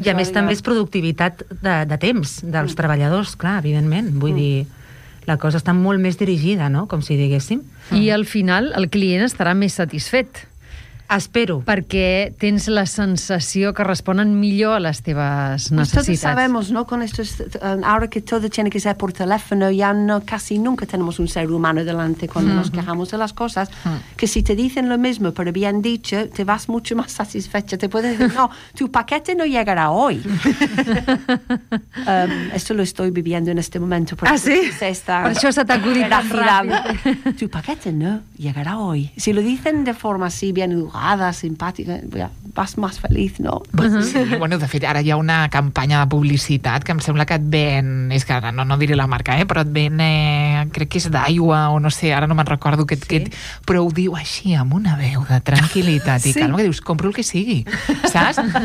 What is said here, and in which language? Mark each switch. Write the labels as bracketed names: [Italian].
[Catalan] I a més també és productivitat de temps dels treballadors, clar, evidentment. Vull dir, la cosa està molt més dirigida, no?, com si diguéssim. I al final el client estarà més satisfet. Espero. Perquè tens la sensació que responen millor a les teves necessitats. [Spanish] Pues todos sabemos, ¿no?, con estos, ahora que todo tiene que ser por teléfono, ya no, casi nunca tenemos un ser humano delante cuando nos quejamos de las cosas, que si te dicen lo mismo pero bien dicho, te vas mucho más satisfecha. Te puedes decir, no, tu paquete no llegará hoy. esto lo estoy viviendo en este momento. ¿Ah, sí? Por eso se te acudirá tan rápido. Tu paquete no llegará hoy. Si lo dicen de forma así, bien educada, [Catalan] simpàtica, vas més feliç, no? Sí, bueno, de fet, ara hi ha una campanya de publicitat que em sembla que et ven, és que ara no diré la marca, però et ven, crec que és d'aigua o no sé, ara no me'n recordo, però ho diu així, amb una veu de tranquil·litat i calma, que dius, compro el que sigui, saps?